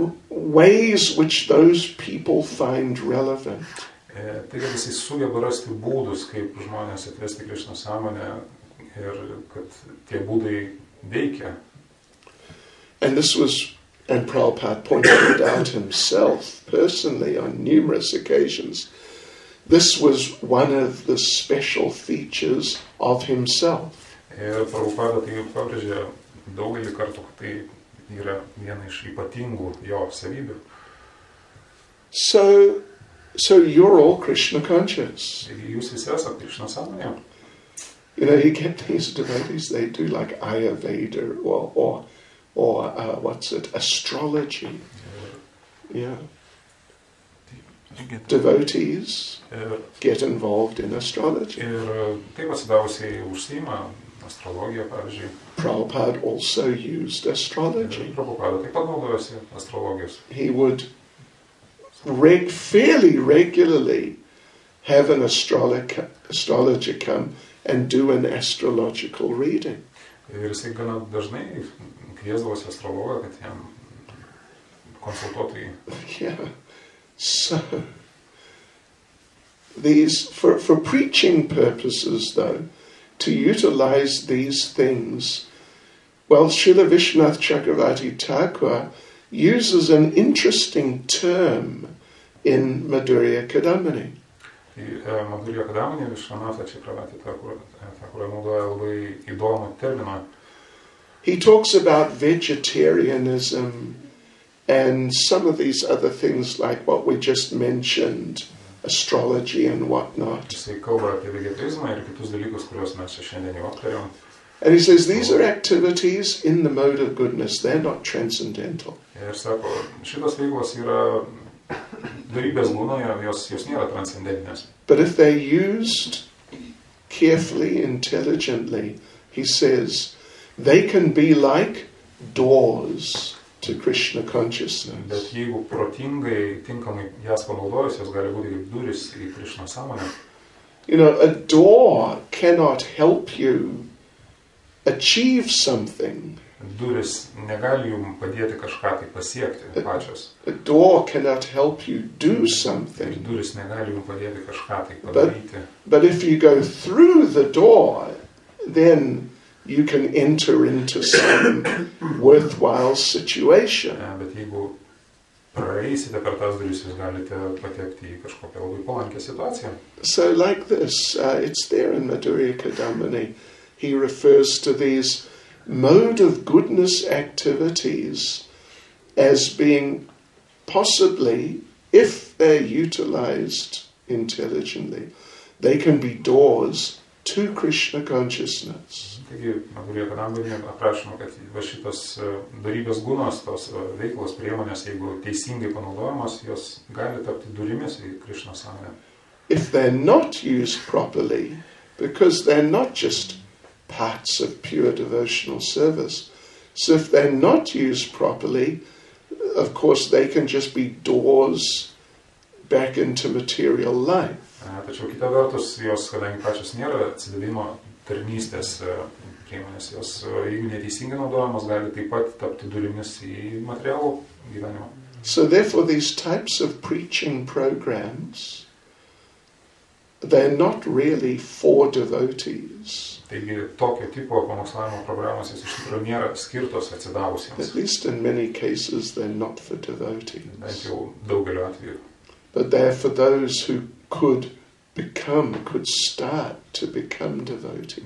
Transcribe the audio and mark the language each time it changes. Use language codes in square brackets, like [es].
[en] Ways which those people find relevant. [lt] Tai, kad jis sugeba rasti būdus, kaip žmonės atvesti Krishna sąmonę ir kad tie būdai veikia. [en] And this was And Prabhupada pointed it out himself personally on numerous occasions. This was one of the special features of himself. [lt] Ir Prabhupada tai pabrėžė daugelį kartų, kad tai yra viena iš ypatingų jo savybių. [en] So you're all Krishna conscious. [lt] Jūs visi esat Krishna sąmonė. [en] You know, he kept these devotees, they do like Ayurveda or what's it, astrology. Yeah. Devotees get involved in astrology. [lt] Ir tai pasidavusiai užsiima astrologija, pavyzdžiui. [en] Prabhupada also used astrology. [lt] Prabhupada taip pat naudojosi astrologijos. [en] He would fairly regularly have an astrologer come and do an astrological reading. [lt] Ir jisai gana dažnai kviesdavosi astrologą, kad jam konsultuotų jį. [en] Yeah. So, these, for preaching purposes though, to utilize these things, well, Srila Vishwanath Chakravarti Thakur uses an interesting term in Madhurya Kadambini. [lt] Madhurya Kadambini, Vishwanatha Chakravarti Thakur naudoja labai įdomų terminą. [en] He talks about vegetarianism and some of these other things like what we just mentioned, astrology and whatnot. [lt] Jisai kalba apie vegetarizmą ir kitus dalykus, kuriuos mes šiandien jau aptarėm. [en] And he says, these are activities in the mode of goodness, they're not transcendental. [lt] Ir sako, šitas veiklas yra darybės būnoje, jos nėra transcendentinės. [en] But if they're used carefully, intelligently, he says, they can be like doors to Krishna consciousness. [lt] Bet jeigu protingai, tinkamai jas panaudojus, jas gali būti kaip durys į Krishna sąmonę. [en] You know, a door cannot help you achieve something. [lt] Durys negali jum padėti kažką tai pasiekti pačios. [en] A door cannot help you do something. [lt] Durys negali jum padėti kažką tai padaryti. [en] But if you go through the door, then you can enter into some worthwhile situation. [lt] Bet jeigu praeisite per tas duris, jūs galite patekti į kažkokią labai palankią situaciją. [en] So like this, it's there in Madhurya Kadambini. He refers to these mode of goodness activities as being possibly, if they're utilized intelligently, they can be doors to Krishna consciousness. [lt] Taigi, Madhurya Kadambini aprašoma, kad va šitas darybės gunas, tos veiklos priemonės, jeigu teisingai panaudojamos, jos gali tapti durimis į Krishna sąmonę. [en] If they're not used properly, because they're not just parts of pure devotional service. So if they're not used properly, of course they can just be doors back into material life. [lt] Tačiau kita vertus, jos, kadangi pačios nėra atsidavimo tarnystės priemonės, jos, jeigu neteisingai naudojamos, gali taip pat tapti durimis į materialų gyvenimą. [en] So therefore these types of preaching programs, they're not really for devotees. [lt] Taigi tokio tipo pamokslavimo programos, jis iš tikrųjų nėra skirtos atsidavusiems. [en] At least in many cases they're not for devotees. [lt] Bent jau daugelio atveju. [en] But they're for those who could start to become devotees.